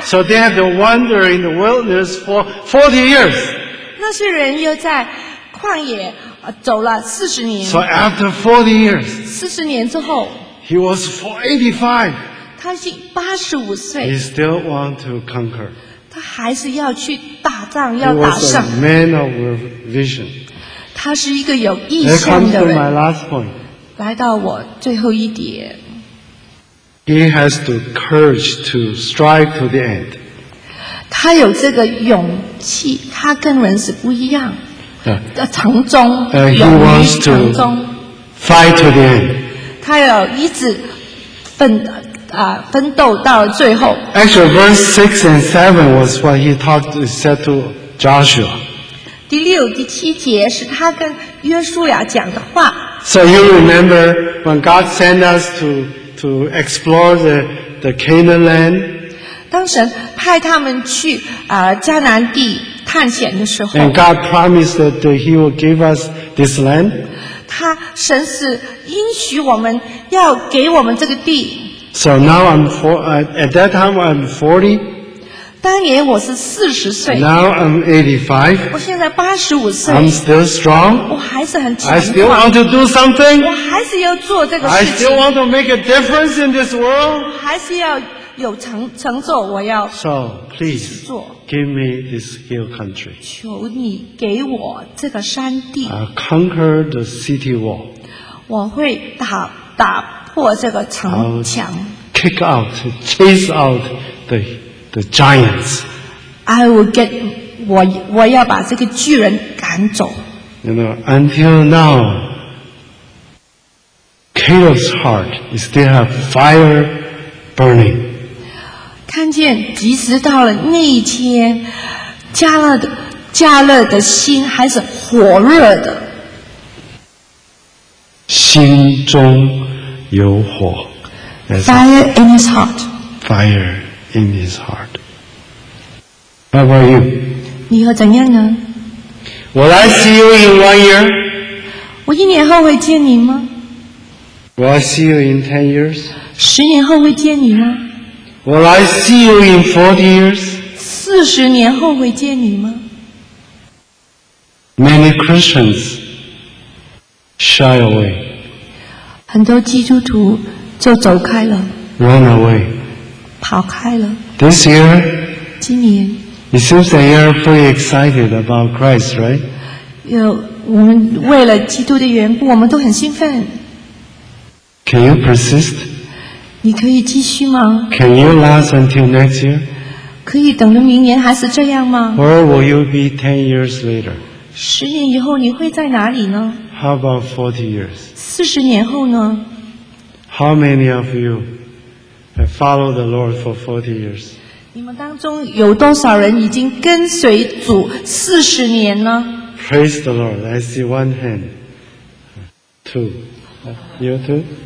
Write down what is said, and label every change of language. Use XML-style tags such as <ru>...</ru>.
<en>So they have to wander in the wilderness for 40 years.</en> <zh>那些人又在旷野走了40年。</zh> <en>So after 40 years.</en> <zh>40年之后</zh> <en>He was 85.</en> <zh>他已经85岁。</zh> <en>He still want to conquer.</en> <zh>他还是要去打仗，要打胜。</zh> <en>He was a man of vision.</en> <zh>他是一个有意向的人。</zh> <en>That comes to my last point.</en> <zh>来到我最后一点。</zh> <en>He has the courage to strive to the end.</en> <zh>他有这个勇气，他跟人是不一样。从中勇于从中。</zh> <en>Fight to the end.</en> <zh>他要一直奋斗。奋斗到最后。</zh> <en>Actually, verse 6 and 7 was what he said to Joshua.</en> <zh>第六、第七节是他跟约书亚讲的话。</zh> <en>So you remember when God sent us to explore the Canaan land?</en> <zh>当神派他们去迦南地探险的时候。</zh> <en>And God promised that he will give us this land?</en> <zh>他神是应许我们要给我们这个地。</zh> <en>So now I'm at that time I'm 40.</en> <zh>当年我是四十岁。</zh> <en>Now I'm 85.</en> <zh>我现在八十五岁。</zh> <en>I'm still strong.</en> <zh>我还是很强壮。</zh> <en>I still want to do something.</en> <zh>我还是要做这个事情。</zh> <en>I still want to make a difference in this world.</en> <zh>我还是要有成就，我要继续做。</zh> <en>So please give me this hill country.</en> <zh>求你给我这个山地。</zh> <en>I'll conquer the city wall.</en> <zh>我会打。破这个城墙</zh> <en>，kick out, chase out the giants. I will get</en> <zh>我要把这个巨人赶走。</zh> <en>You know, until now, Caleb's heart is still have fire burning.</en> <zh>看见，即使到了那一天，加勒的心还是火热的，心中。有火</zh> <en>Fire in his heart. Fire in his heart. How about you?</en> <zh>你会怎样呢</zh> <en>Will I see you in 1 year?</en> <zh>我一年后会见你吗</zh> <en>Will I see you in 10 years?</en> <zh>十年后会见你吗</zh> <en>Will I see you in 40 years?</en> <zh>四十年后会见你吗</zh> <en>Many Christians shy away.</en> <zh>很多基督徒就走开了</zh> <en>Run away</en> <zh>跑开了</zh> <en>This year</en> <zh>今年</zh> <en>It seems that you are pretty excited about Christ, right?</en> <zh>我们为了基督的缘故我们都很兴奋</zh> <en>Can you persist?</en> <zh>你可以继续吗</zh> <en>Can you last until next year?</en> <zh>可以等到明年还是这样吗</zh> <en>Or will you be 10 years later?</en> <zh>十年以后你会在哪里呢</zh> <en>How about 40 years?</en> <zh>四十年后呢</zh> <en>How many of you have followed the Lord for 40 years?</en> <zh>你们当中有多少人已经跟随主四十年呢</zh> <en>Praise the Lord, I see one hand. Two. You too?</en>